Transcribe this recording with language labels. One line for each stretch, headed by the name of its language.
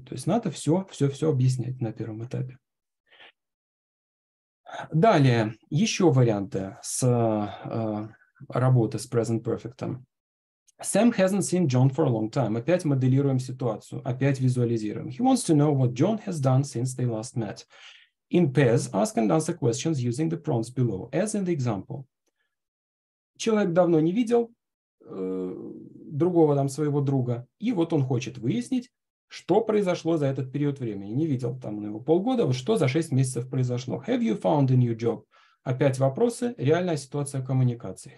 Russian: То есть надо все объяснять на первом этапе. Далее, еще варианты с работы с present perfect.
English: Sam hasn't seen John for a long time.
Russian: Опять моделируем ситуацию, опять визуализируем.
English: He wants to know what John has done since they last met. In pairs, ask and answer questions using the prompts below, as in the example.
Russian: Человек давно не видел другого там своего друга, и вот он хочет выяснить, что произошло за этот период времени. Не видел там его полгода, вот что за 6 месяцев произошло.
English: Have you found a new job?
Russian: Опять вопросы, реальная ситуация коммуникации.